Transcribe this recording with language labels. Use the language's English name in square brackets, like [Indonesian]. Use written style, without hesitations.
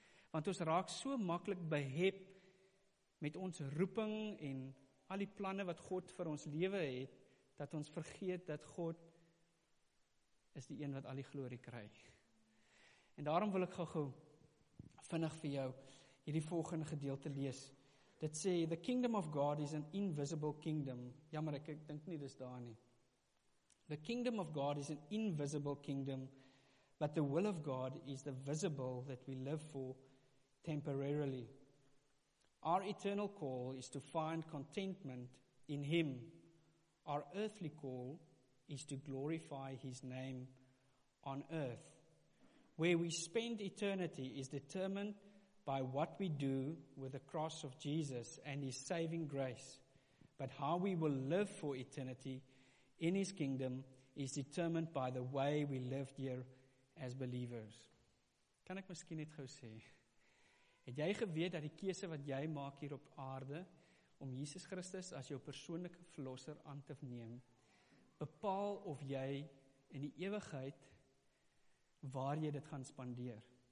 [Afrikaans] Want ons raak so maklik behep met ons roeping en al die planne wat God vir ons lewe het, dat ons vergeet dat God is die een wat al die glorie kry. En daarom wil ek gou vinnig vir jou hierdie volgende gedeelte lees. Dit sê, [English] the kingdom of God is an invisible kingdom. [Afrikaans] Jammer, ek dink nie dis daar nie. [English] The kingdom of God is an invisible kingdom, but the will of God is the visible that we live for temporarily. Our eternal call is to find contentment in Him. Our earthly call is to glorify His name on earth. Where we spend eternity is determined by what we do with the cross of Jesus and His saving grace. But how we will live for eternity in His kingdom is determined by the way we lived here as believers. [Afrikaans] Kan ek miskien net gou sê? Het jy geweet dat die keuse wat jy maak hier op aarde om Jesus Christus as jou persoonlike verlosser aan te neem, bepaal of jy in die ewigheid waar jy dit gaan spandeer?